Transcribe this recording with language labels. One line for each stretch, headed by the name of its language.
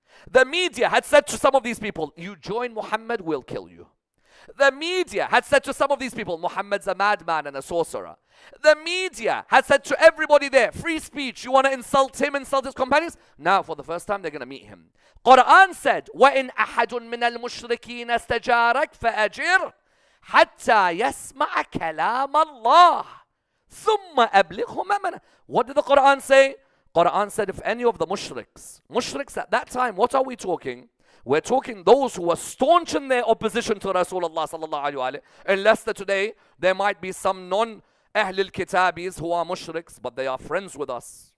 English: The media had said to some of these people, you join Muhammad, we'll kill you. The media had said to some of these people, Muhammad's a madman and a sorcerer. The media had said to everybody there, free speech, you want to insult him, insult his companions? Now, for the first time, they're going to meet him. Quran said,
Arabic: وَإِنْ أَحَدٌ مِنَ الْمُشْرِكِينَ اسْتَجَارَكْ فَأَجِرْ حَتَّى يَسْمَعَ كَلَامَ اللَّهِ ثُمَّ أَبْلِغْهُ مَمَنَ.
English: What did the Quran say? Quran said, if any of the mushriks at that time, what are we talking? We're talking those who were staunch in their opposition to Rasulullah sallallahu alayhi wa sallam. Unless that today there might be some non-Ahlul Kitabis who are mushriks, but they are friends with us.